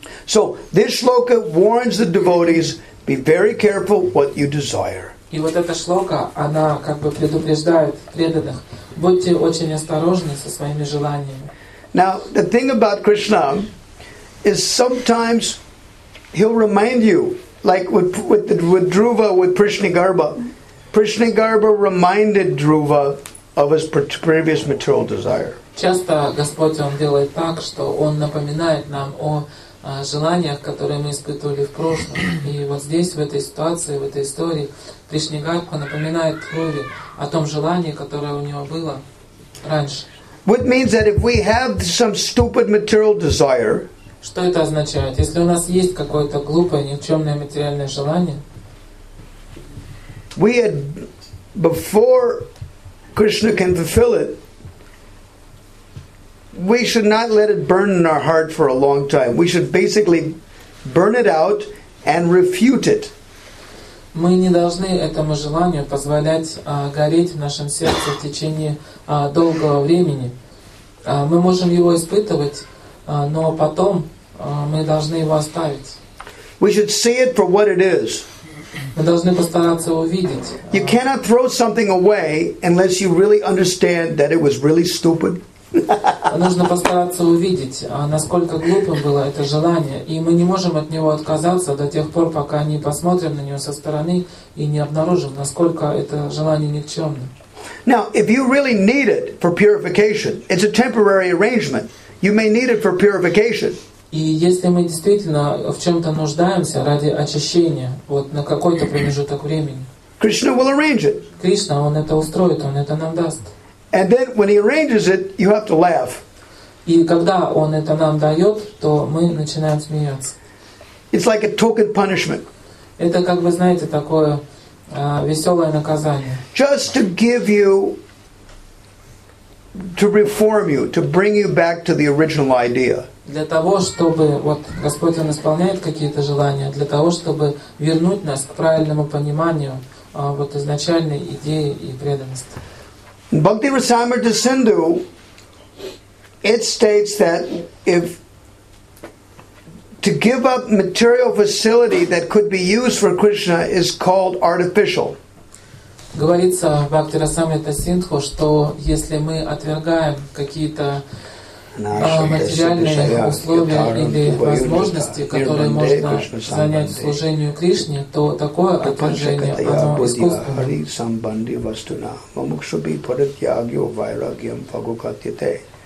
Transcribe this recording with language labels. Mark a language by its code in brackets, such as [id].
[en] So, this shloka warns the devotees, be very careful what you desire. [ru] И вот эта шлока, она как бы предупреждает преданных, будьте очень осторожны со своими желаниями. [en] Now, the thing about Krishna is sometimes he'll remind you, like with Dhruva, with Prishnagarbha. Prishnagarbha reminded Dhruva of his previous material desire. [ru] Часто Господь он делает так, что он напоминает нам о желаниях, которые мы испытывали в прошлом. И вот здесь в этой ситуации, в этой истории, Кришнагарбха напоминает Дхруве о том желании, которое у него было. раньше. [en] Which means that if we have some stupid material desire, [ru] что это означает? Если у нас есть какое-то глупое, никчемное материальное желание, [en] we had, before Krishna can fulfill it, we should not let it burn in our heart for a long time. We should basically burn it out and refute it. [ru] Мы не должны этому желанию позволять гореть в нашем сердце в течение долгого времени. Мы можем его испытывать, но потом мы должны его оставить. [en] We should see it for what it is. [ru] Мы должны постараться увидеть. [en] You cannot throw something away unless you really understand that it was really stupid. [ru] Нужно постараться увидеть, насколько глупым было это желание, и мы не можем от него отказаться до тех пор, пока не посмотрим на него со стороны и не обнаружим, насколько это желание никчемно. [en] Now, if you really need it for purification, it's a temporary arrangement. You may need it for purification. [ru] И если мы действительно в чем-то нуждаемся ради очищения, вот на какой-то промежуток времени, [en] Krishna will arrange it. [ru] Кришна, он это устроит, он это нам даст. [en] And then when he arranges it, you have to laugh. [ru] И когда он это нам дает, то мы начинаем смеяться. [en] It's like a token punishment. [ru] Это как вы знаете такое веселое наказание. [en] Just to give you, to reform you, to bring you back to the original idea. [ru] Для того, чтобы вот Господь он исполняет какие-то желания, для того, чтобы вернуть нас к правильному пониманию вот изначальной идеи и преданности. [en] Bhakti Rasamrita Sindhu, it states that if to give up material facility that could be used for Krishna is called artificial. [ru] Говорится в Бхакти Расамрита Синдху, что если мы отвергаем какие-то материальные условия или возможности, которые можно занять в служении Кришне, то такое отвержение, оно искусственное.